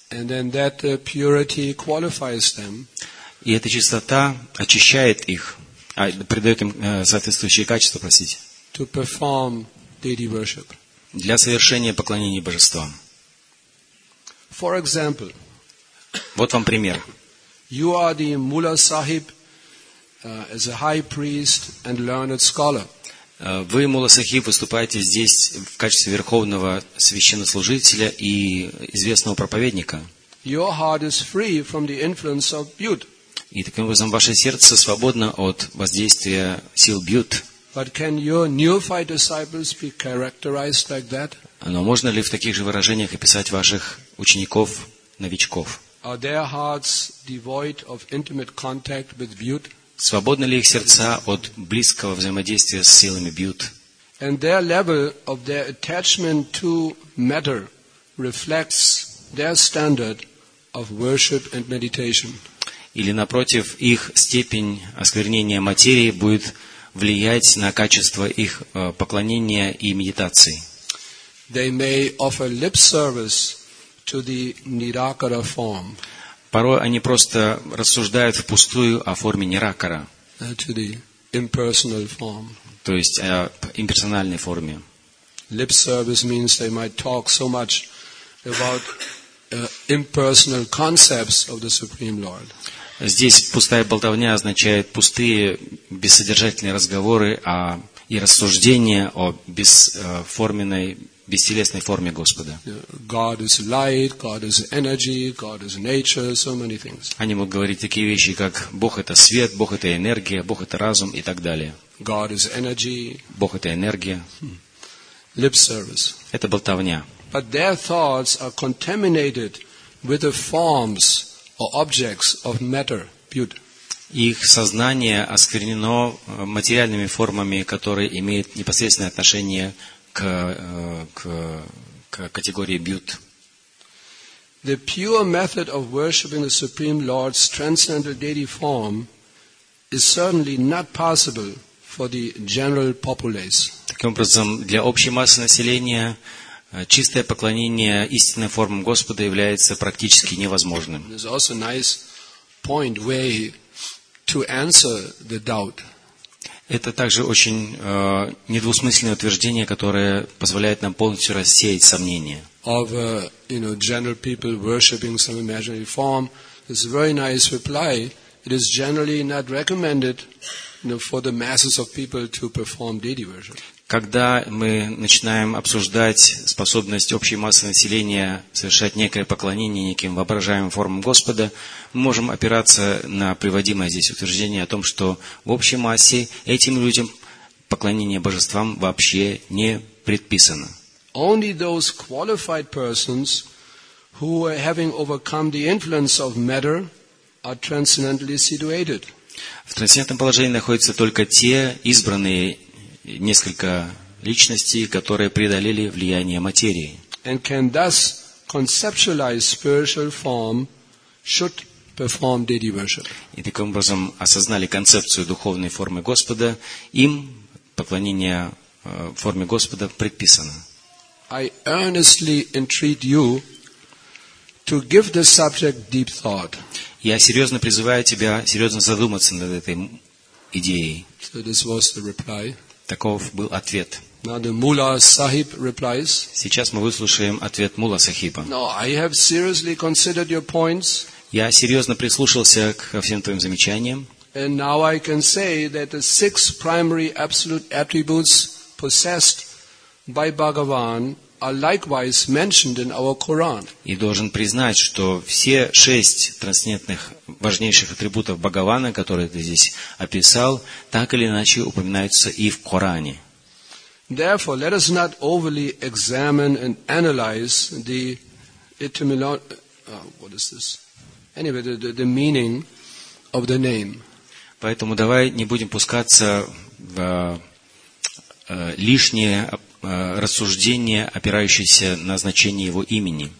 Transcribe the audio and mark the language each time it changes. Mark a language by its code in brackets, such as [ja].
[en] And then that purity qualifies them. [ru] И эта чистота очищает их, придает им соответствующие качества, простите, [en] to perform deity worship. [ru] Для совершения поклонения божествам. [en] For example, [ru] вот вам пример. [en] You are the Mula Sahib, as a high priest and learned scholar. [ru] Вы, Мула Сахиб, выступаете здесь в качестве верховного священнослужителя и известного проповедника. [en] Your heart is free from the influence of Bhut. [ru] И таким образом ваше сердце свободно от воздействия сил Бьют. [en] But can your neophyte disciples be characterized like that? [ru] Но можно ли в таких же выражениях описать ваших учеников, новичков? [en] Are their hearts devoid of intimate contact with Bhut? [ru] Свободны ли их сердца от близкого взаимодействия с силами Бьют? [en] And their level of their attachment to matter reflects their standard of worship and meditation. [ru] Или, напротив, их степень осквернения материи будет влиять на качество их поклонения и медитации. [en] They may offer lip service to the Nirakara form. [ru] Порой они просто рассуждают впустую о форме Ниракара. [en] To the impersonal form. [ru] То есть о имперсональной форме. [en] Lip service means they might talk so much about impersonal concepts of the Supreme Lord. [ru] Здесь пустая болтовня означает пустые, бессодержательные разговоры и рассуждения о бесформенной, бестелесной форме Господа. [en] God is light, God is energy, God is nature, so many things. [ru] Они могут говорить такие вещи, как Бог — это свет, Бог — это энергия, Бог — это разум и так далее. [en] God is energy. [ru] Бог — это энергия. [en] Lip service. [ru] Это болтовня. [en] But their thoughts are contaminated with the forms or objects of matter, but. [ru] Их сознание осквернено материальными формами, которые имеют непосредственное отношение к категории бьют. [en] The pure method of worshiping the Supreme Lord's transcendental deity form is certainly not possible for the general populace. [ru] Таким образом, для общей массы населения чистое поклонение истинной формам Господа является практически невозможным. [en] There's also a nice point way to answer the doubt. [ru] Это также очень недвусмысленное утверждение, которое позволяет нам полностью рассеять сомнения. [en] Of general people worshiping some imaginary form, it's a very nice reply. It is generally not recommended for the masses of people to perform deity worship. [ru] Когда мы начинаем обсуждать способность общей массы населения совершать некое поклонение неким воображаемым формам Господа, мы можем опираться на приводимое здесь утверждение о том, что в общей массе этим людям поклонение божествам вообще не предписано. [en] Only those qualified persons who, having overcome the influence of matter, are transcendentally situated. [ru] В трансцендентном положении находятся только те избранные несколько личностей, которые преодолели влияние материи. [en] And can thus conceptualize spiritual form should perform deity worship. [ru] И таким образом осознали концепцию духовной формы Господа, им поклонение форме Господа предписано. [en] I earnestly entreat you to give this subject deep thought. [ru] Я серьезно призываю тебя серьезно задуматься над этой идеей. [en] So this was the reply. [ru] Таков был ответ. [en] Now the Mullah Sahib replies. [ru] Сейчас мы выслушаем ответ Мулла Сахиба. [en] No, I have seriously considered your points. [ru] Я серьезно прислушался ко всем твоим замечаниям. [en] And now I can say that the six primary absolute attributes possessed by Bhagavan are likewise mentioned in our Quran. [ru] И должен признать, что все шесть трансцендентных важнейших атрибутов Бхагавана, которые ты здесь описал, так или иначе упоминаются и в Коране. [en] Therefore, let us not overly examine and analyze the the meaning of the name. [ru] Поэтому давай не будем пускаться в лишнее рассуждение, опирающееся на значение его имени.